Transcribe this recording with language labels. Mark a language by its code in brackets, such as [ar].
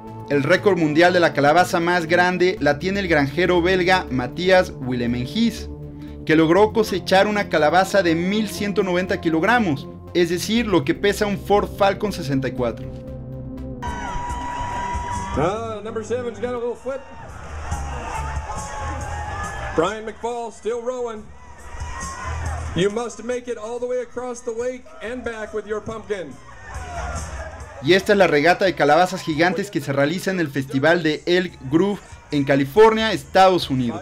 [es] El récord mundial de la calabaza más grande la tiene el granjero belga Matthias Willemenghis, que logró cosechar una calabaza de 1190 kilogramos, es decir, lo que pesa un Ford Falcon 64. [en] Number 7's got a little foot. Brian McFall still rowing. You must make it all the way across the lake and back with your pumpkin. [es] Y esta es la regata de calabazas gigantes que se realiza en el festival de Elk Grove en California, Estados Unidos.